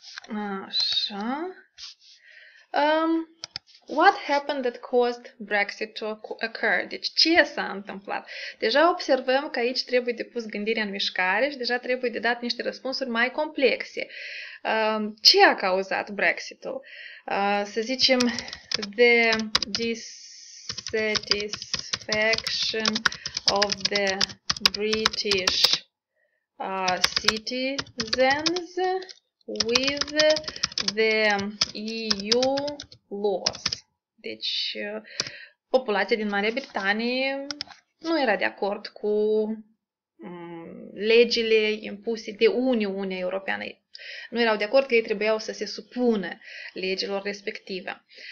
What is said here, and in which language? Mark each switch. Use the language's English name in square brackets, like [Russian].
[Romanian] Așa. [English] What happened that caused Brexit to occur? [Romanian] Deci, ce s-a întâmplat? Deja observăm că aici trebuie depus gândirea în mișcare și deja trebuie de dat niște răspunsuri mai complexe. Ce a cauzat Brexit-ul? Să zicem, [English] the dissatisfaction of the British citizens with the EU laws. [Romanian] Deci, populația din Marea Britanie nu era de acord cu legile impuse de Uniunea Europeană. Nu erau de acord că ei trebuiau să se supună legilor respective.